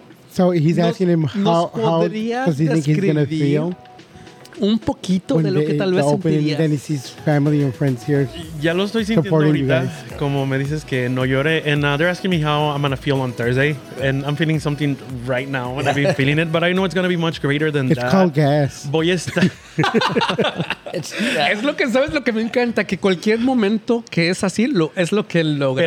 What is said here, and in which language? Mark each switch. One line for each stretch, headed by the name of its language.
English: So he's asking him how does he think he's going to feel?
Spanish: Un poquito de lo que tal vez sentirías.
English: Then he sees family and friends here.
Spanish: Ya lo estoy sintiendo ahorita. Como me dices que no llore.
English: And they're asking me how I'm going to feel on Thursday. And I'm feeling something right now. And I've been feeling it. But I know it's going to be much greater than it's that. It's called gas.
Spanish: Voy a estar... Es lo que, ¿sabes lo que me encanta? Que cualquier momento que es así, es lo que él logra.